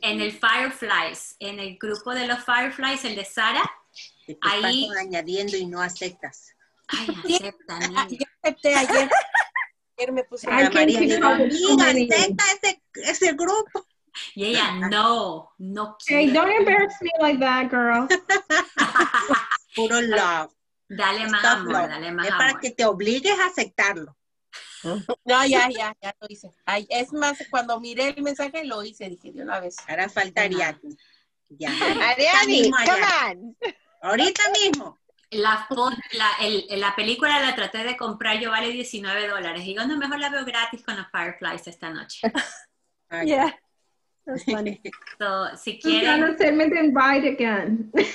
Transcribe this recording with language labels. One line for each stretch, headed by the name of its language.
Spanish: En el Fireflies, en el grupo de los Fireflies, el de Sara. Ahí. Paso añadiendo y no aceptas. Ay, acepta, niña. Yo acepté ayer. Me puse a María, digo, amiga, intenta ese grupo. Y ella, no quiero.
English: Hey, don't embarrass me like that, girl.
Spanish: Puro love. Dale más amor, Es para que te obligues a aceptarlo. No, ya lo hice. Ay, es más, cuando miré el mensaje, lo hice, dije, de una vez. Ahora faltaría a ti.
English: Ariadne, come on.
Spanish: Ahorita mismo. La película la traté de comprar, yo vale $19. Digo, no, mejor la veo gratis con los Fireflies esta noche.
English: Yeah, that's funny.
Spanish: So, si quieren...
English: I'm gonna send me the invite again.